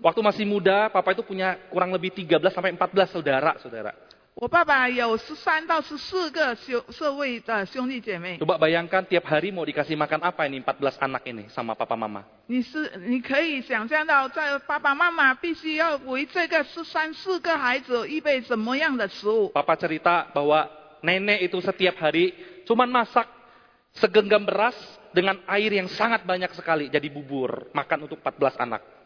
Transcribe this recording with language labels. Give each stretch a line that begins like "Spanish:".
Indonesian: Waktu masih muda, papa itu punya kurang lebih 13-14 saudara, saudara.
Chinese: 我爸爸有13到14个兄弟姐妹。
Indonesian: Coba bayangkan tiap hari mau dikasih makan apa ini 14 anak ini sama papa mama.
Chinese: 你可以想象到在爸爸妈妈必须要为这个13、14个孩子预备怎么样的食物。
Indonesian: Papa cerita bahwa nenek itu setiap hari cuman masak segenggam beras dengan air yang sangat banyak sekali jadi bubur makan untuk 14 anak.